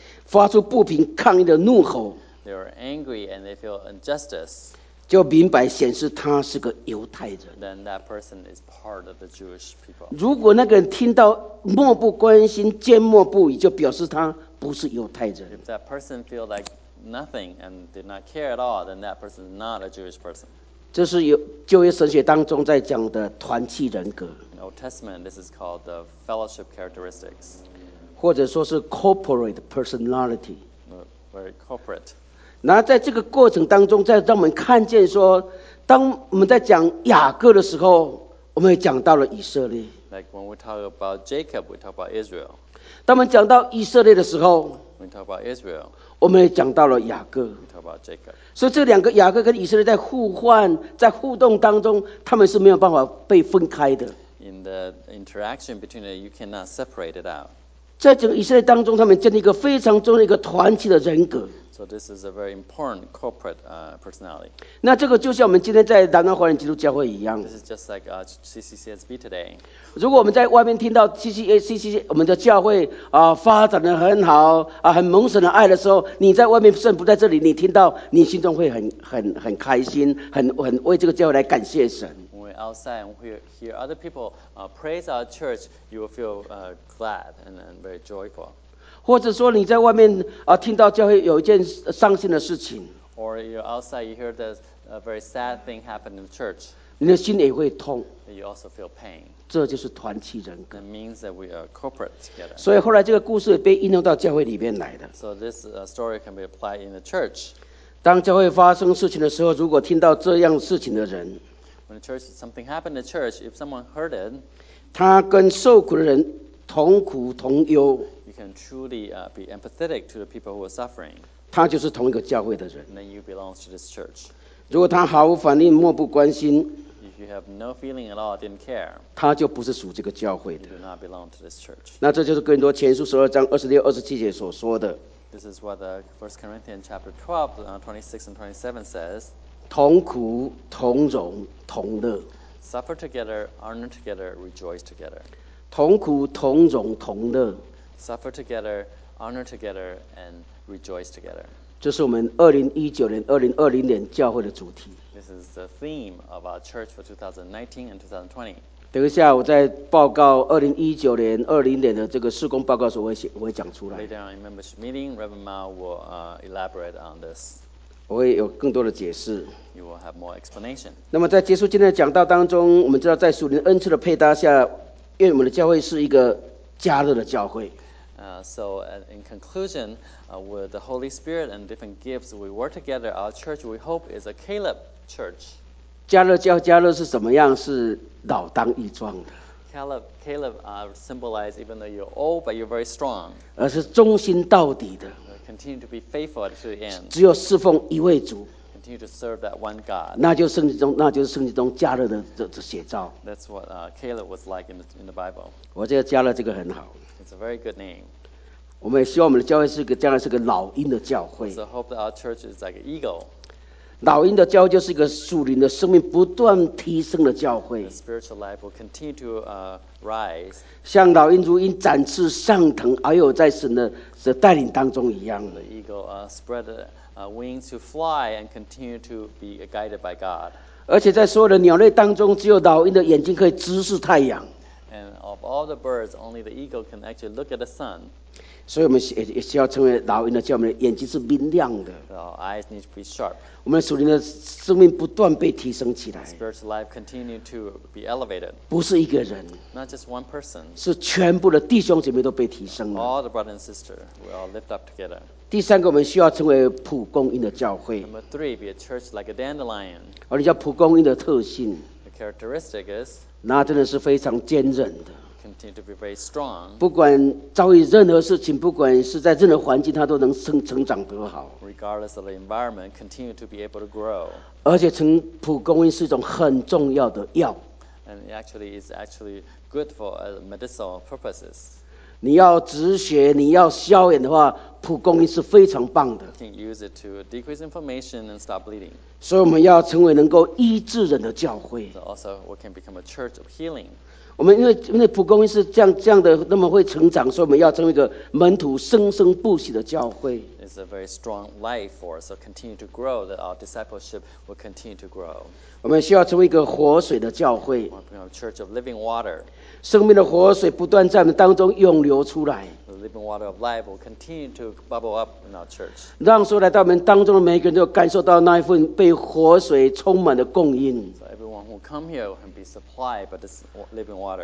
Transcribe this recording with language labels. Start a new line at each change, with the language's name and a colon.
Chinese: 发出不平抗议的怒吼
English: they are angry and they feel injustice.
Chinese: 就明白显示他是个犹太人
English: Then that person is part of the Jewish people.
Chinese: 如果那个人听到漠不关心、缄默不语，就表示他不是犹太人
English: If that person feels like nothing and did not care at all, then that person is not a Jewish person.
Chinese: 这是有旧约神学当中在讲的团契人格。
English: In Old Testament, this is called the fellowship characteristics.
Chinese: 或者说是
English: corporate personality. Very corporate.
Chinese: 那在这个过程当中，在让我们看见说，当我们在讲雅各的时候，我们也讲到了以色列。
English: Like when we talk about Jacob, we talk about Israel.
Chinese: 当我们讲到以色列的时候
English: ，we talk about Israel.
Chinese: 我们也讲到了雅各
English: talk about Jacob.
Chinese: 所以这两个雅各跟以色列在互换在互动当中他们是没有办法被分开的
English: In the interaction between them, you cannot separate it out.
Chinese: 在整个以色列当中他们建立一个非常重要的一个团体的人格
English: So this is a very important corporate personality.
Chinese: 那这个就像我们今天在南安华人基督教会一样
English: This is just like CCCSB today.
Chinese: 如果我们在外面听到 CCCSB 我们的教会发展得很好很蒙神的爱的时候你在外面甚不在这里你听到你心中会很开心很为这个教会来感谢神
English: When we're outside and we hear other people praise our church, you will feel glad and very joyful.
Chinese: 或者说你在外面听到教会有一件伤心的事情
English: Or you're outside, you hear that a very sad thing happened in the church.
Chinese: 你的心也会痛
English: You also feel pain.
Chinese: 这就是团契人格。
English: It means that we are corporate together.
Chinese: 所以后来这个故事也被应用到教会里面来的。
English: So this story can be applied in the church.
Chinese: 当教会发生事情的时候，如果听到这样事情的人
English: ，When the church something happened in the church, if someone heard it,
Chinese: 他跟受苦的人同苦同忧。
English: You can truly be empathetic to the people who are suffering.
Chinese: 他就是同一个教会的人。
English: Then you belong to this church.
Chinese: 如果他毫无反应，漠不关心。
English: You have no feeling at all, didn't care.
Chinese: 他就不是属这个教会的。
English: You do not belong to this church.
Chinese: 那这就是哥林多前书十二章二十六、二十七节所说的。
English: This is what the First Corinthians chapter 12, 26 and 27 says.
Chinese: 同苦同荣同乐。
English: Suffer together, honor together, rejoice together.
Chinese: 同苦同荣同乐。
English: Suffer together, honor together, and rejoice together.
Chinese: 这是我们2019年、2020年教会的主题。
English: This is the theme of our church for 2019 and 2020.
Chinese: 等一下，我在报告2019年、20年的这个事工报告时候，我会讲出来。
English: Later on in membership meeting, Reverend Mao will elaborate on this.
Chinese: 我会有更多的解释。
English: You will have more explanation.
Chinese: 那么在结束今天的讲道当中，我们知道在属灵恩赐的配搭下，因为我们的教会是一个加热的教会。
English: So in conclusion, with the Holy Spirit and different gifts, we work together. Our church, we hope, is a Caleb church.
Chinese: 加勒教加勒是怎么样？是老当益壮的。
English: Caleb symbolizes even though you're old, but you're very strong.
Chinese: 而是忠心到底的。
English: Continue to be faithful to the end.
Chinese: 只有侍奉一位主。
English: Continue to serve that one God.
Chinese: 那就是圣经中加勒的这写照。
English: That's what Caleb was like in the Bible.
Chinese: 我觉得加勒这个很好。
English: It's a very good name.
Chinese: 我们也希望我们的教会是个将来是个老鹰的教会。
English: So hope that our church is like an eagle.
Chinese: 老鹰的教会就是一个属灵的生命不断提升的教会。
English: The spiritual life will continue to rise.
Chinese: 像老鹰如鹰展翅上腾，而又在神的带领当中一样。
English: The eagle spread wings to fly and continue to be guided by God.
Chinese: 而且在所有的鸟类当中，只有老鹰的眼睛可以直视太阳。
English: And of all the birds, only the eagle can actually look at the sun.
Chinese: 所以我们也需要成为老鹰的教会，眼睛是明亮的。
English: Our eyes need to be sharp.
Chinese: 我们属灵的生命不断被提升起来。
English: Spiritual life continue to be elevated.
Chinese: 不是一个人。
English: Not just one person.
Chinese: 是全部的弟兄姐妹都被提升了。
English: All the brothers and sisters, we all lift up together.
Chinese: 第三个，我们需要成为蒲公英的教会。
English: Number three, be a church like a dandelion.
Chinese: 而你叫蒲公英的特性。
English: The characteristic is.
Chinese: 那真的是非常坚韧的。
English: continue to be very strong.
Chinese: 不管遭遇任何事情，不管是在任何环境，他都能成长得好。
English: Regardless of the environment, continue to be able to grow.
Chinese: 而且成蒲公英是一种很重要的药。
English: And it actually is actually good for medicinal purposes.
Chinese: 你要止血，你要消炎的话，蒲公英是非常棒的。
English: You can use it to decrease inflammation and stop bleeding.
Chinese: 所以我们要成为能够医治人的教会。
English: So also, we can become a church of healing.
Chinese: 我们因为蒲公英是这样的那么会成长，所以我们要成为一个门徒生生不息的教会。
English: It's a very strong life for us to continue to grow, that our discipleship will continue to grow.
Chinese: 我们需要成为一个活水的教会。
English: A church of living water.
Chinese: 生命的活水不断在我们当中涌流出来。
English: The living water of life will continue to bubble up in our church.
Chinese: 让所有来到我们当中的每一个人都感受到那一份被活水充满的供应。
English: Come here and be supplied by this living water.